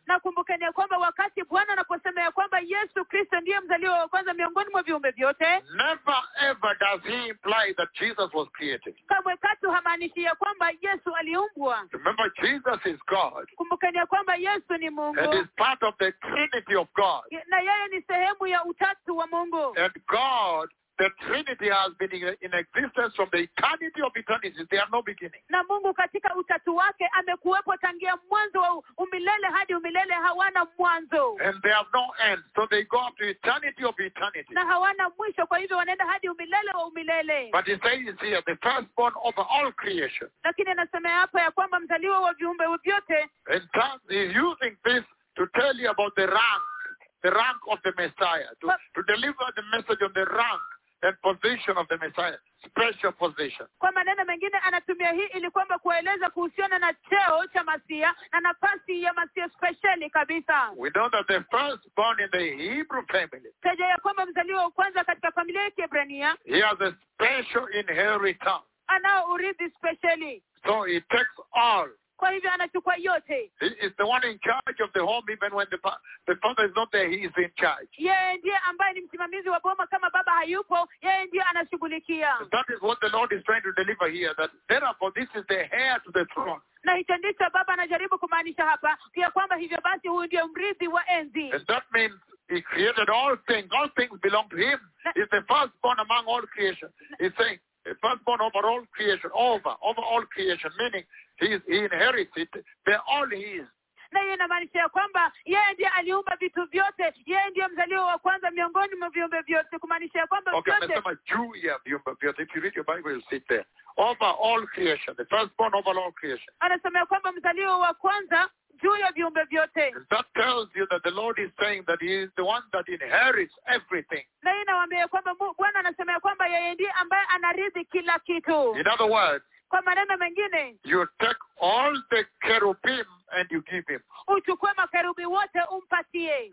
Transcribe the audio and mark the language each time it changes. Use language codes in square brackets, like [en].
[sw] Na kumbukeni kwamba wakati Bwana anaposema ya kwamba Yesu Kristo ndiye mzaliwa wa kwanza miongoni mwa viumbe vyote. [en] Never ever does he imply that Jesus was created. [sw] Kamwe katu hamaanishi ya kwamba Yesu aliumbwa. [en] Remember Jesus is God. [sw] Kumbukeni kwamba Yesu ni Mungu. [en] And is part of the Trinity of God. [sw] Na yeye ni sehemu ya utatu wa Mungu. [en] And God, the Trinity has been in existence from the eternity of eternities. There are no beginning. [sw] Na Mungu katika utatu wake amekuwepo tangia mwanzo wa umilele hadi umilele, hawana mwanzo. [en] And they have no end. So they go up to eternity of eternity. [sw] Na hawana mwisho, kwa hivyo wanaenda hadi umilele wa umilele. [en] But he says here, the firstborn of all creation. [sw] Lakini anasema hapa ya kwamba mzaliwa wa viumbe vyote. [en] And thus he's using this to tell you about the rank of the Messiah, to deliver the message of the rank and position of the Messiah, special position. [sw] Kwa maneno mengine anatumia hii ili kwamba kueleza kuhusiana na cheo cha Masia na nafasi ya Masia speciali kabisa. [en] We know that the firstborn in the Hebrew family. [sw] Teja ya kwamba mzaliwa kwanza katika familia ya Kiebrania. [en] He has a special inheritance. [sw] Anao urithi speciali. [en] So he takes all. [sw] Kwa hivyo anachukua yote. [en] He is the one in charge of the home even when the father is not there, he is in charge. [sw] Yeye ndiye ambaye ni msimamizi wa boma kama baba hayupo, yeye ndiye anashughulikia. [en] That is what the Lord is trying to deliver here, that therefore this is the heir to the throne. [sw] Na hicho ndicho baba anajaribu kumaanisha hapa, ya kwamba hivyo basi huyu ndiye mrithi wa enzi. [en] And that means he created all things belong to him. He is the firstborn among all creation. He's saying, firstborn over all creation, over all creation, meaning he inherits it, they're all his. [sw] Na yeye anamaanisha kwamba yeye ndiye aliumba vitu vyote, yeye ndiye mzaliwa wa kwanza miongoni mwa viumbe vyote, kumaanisha kwamba vyote. Okay, nasema juu ya viumbe vyote. [en] If you read your Bible, you'll see there. Over all creation, the firstborn over all creation. [sw] Anasema kwamba mzaliwa wa kwanza juu ya viumbe vyote. [en] That tells you that the Lord is saying that he is the one that inherits everything. [sw] Na yeye anawaambia kwamba Bwana anasema kwamba yeye ndiye ambaye anarithi kila kitu. [en] In other words, [sw] kwa maneno mengine, [en] you take all the cherubim and you give him. [sw] Uchukue makerubi wote umpatie.